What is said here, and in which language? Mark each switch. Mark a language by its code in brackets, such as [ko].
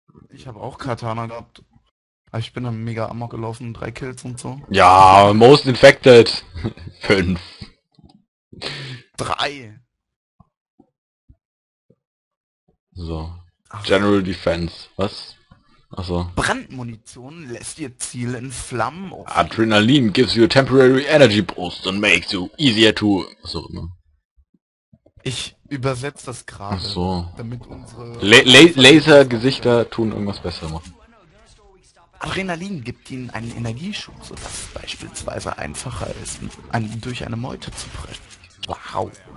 [de] Ich habe auch Katana gehabt. Ich bin dann mega Amok gelaufen, 3 Kills und so. [en] Ja, most infected. 5. 3. [de] So. General Defense. Was? Achso. Brandmunition lässt ihr Ziel in Flammen auf. [en] Adrenalin gives you a temporary energy boost and makes you easier to... [de] Achso. Ich übersetze das gerade, so, damit unsere... Laser-Gesichter tun irgendwas besser machen. Adrenalin gibt ihnen einen Energieschub, sodass es beispielsweise einfacher ist, einen durch eine Meute zu brechen. Wow.